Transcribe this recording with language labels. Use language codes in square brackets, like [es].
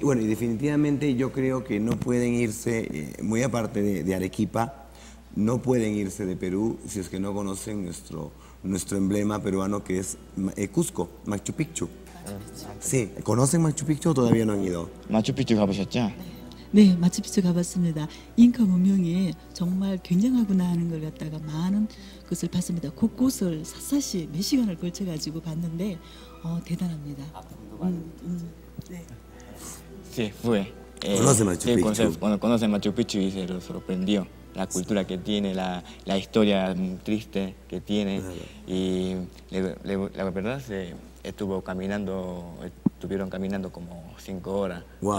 [es] Bueno, y definitivamente yo creo que no pueden irse, muy aparte de Arequipa, no pueden irse de Perú si es que no conocen nuestro emblema peruano que es Cusco, Machu Picchu. Sí, ¿conocen Machu Picchu o todavía no han ido? [ko] Machu Picchu, ¿가보셨죠? 네, 마추픽추 가봤습니다. 잉카 문명이 정말 굉장하구나 하는 걸 갖다가 많은 것을 봤습니다. 곳곳을 샅샅이 몇 시간을 걸쳐 가지고 봤는데 대단합니다. [es] 네. Sí, fue. Conoce Machu Picchu. Conoce Machu Picchu y se lo sorprendió la cultura que tiene, la historia triste que tiene y la verdad se estuvo caminando Estuvieron caminando como 5 horas wow.